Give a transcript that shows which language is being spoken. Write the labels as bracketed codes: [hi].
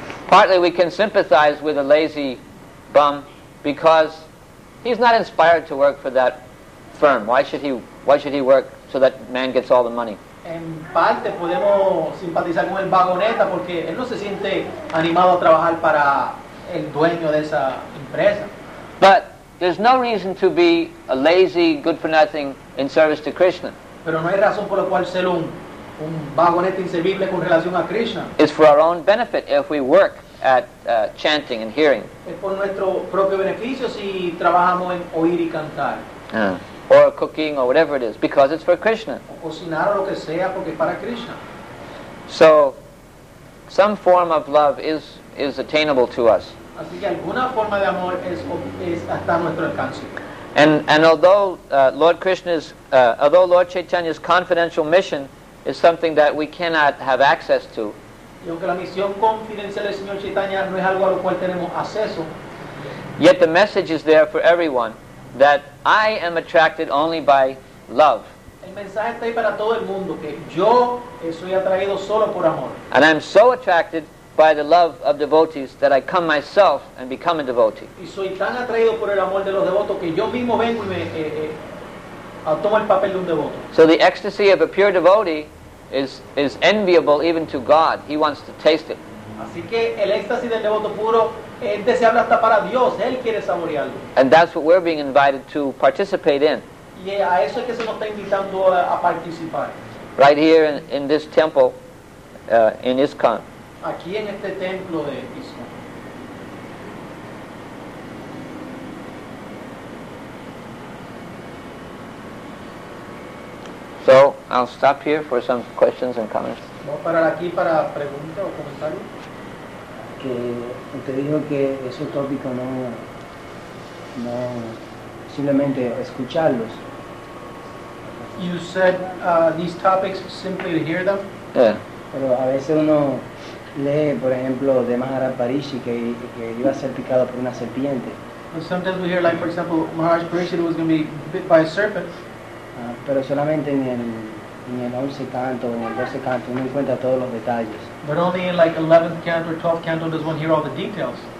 [en] Partly we can sympathize with a lazy bum because he's not inspired to work for that firm. Why should he work so that man gets all the money? [es] En parte podemos simpatizar con el vagoneta porque él no se siente animado a trabajar para el dueño de esa empresa. [en] But there's no reason to be a lazy, good for nothing in service to Krishna. [es] Pero no hay razón por la cual ser un vagoneta inservible con relación a Krishna. [en] It's for our own benefit if we work at chanting and hearing. [es] Es por nuestro propio beneficio si trabajamos en oír y cantar. [en] Or cooking or whatever it is, because it's for Krishna. [es] O cocinar o lo que sea porque para Krishna. [en] So, some form of love is attainable to us. [es] Así que alguna forma de amor es hasta nuestro alcance. [en] And although Lord Krishna's although Lord Chaitanya's confidential mission is something that we cannot have access to. [es] Y aunque la misión confidencial del Señor Chaitanya no es algo a lo cual tenemos acceso. [en] Yet the message is there for everyone, that I am attracted only by love. [es] El mensaje está ahí para todo el mundo, que yo soy atraído solo por amor. [en] And I'm so attracted by the love of devotees that I come myself and become a devotee. [es] Y soy tan atraído por el amor de los devotos que yo mismo vengo y me tomo el papel de un devoto. [en] So the ecstasy of a pure devotee is enviable even to God. He wants to taste it. [es] Así que el éxtasis del devoto puro es deseable hasta para Dios, él quiere saborearlo. [en] And that's what we're being invited to participate in. [es] Y a eso es que se nos está invitando a participar. [en] Right here in this temple in ISKCON. [es] Aquí en este templo de ISKCON. [en] So, I'll stop here for some questions and comments. [es] Voy a parar aquí para preguntas o comentarios. Que usted dijo que ese tópico no simplemente escucharlos. [en] You said these topics simply to hear them. Yeah. [es] Pero a veces uno lee, por ejemplo, de Maharaj Parishi que iba a ser picado por una serpiente. [en] But sometimes we hear, like for example, Maharaj Parishi was going to be bit by a serpent. [es] Pero solamente en el 11 canto, en el 12 canto, uno encuentra todos los detalles. [en] But only in like 11th canto or 12th canto does one hear all the details.